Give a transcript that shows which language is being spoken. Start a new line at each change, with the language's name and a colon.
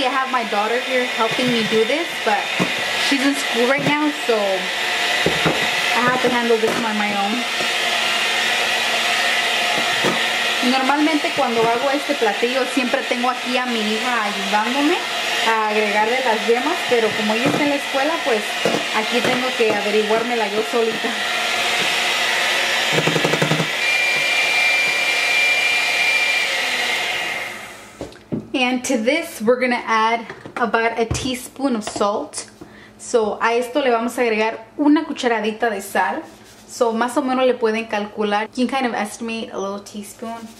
English: My daughter here helping me do this, but she's in school right now, so I have to handle this on my own.
Spanish: Normalmente cuando hago este platillo siempre tengo aquí a mi hija ayudándome a agregarle las yemas, pero como ella está en la escuela, pues aquí tengo que averiguármela yo solita.
English: And to this we're gonna add about a teaspoon of salt.
Spanish: So a esto le vamos a agregar una cucharadita de sal. So más o menos le pueden calcular.
English: You can kind of estimate a little teaspoon.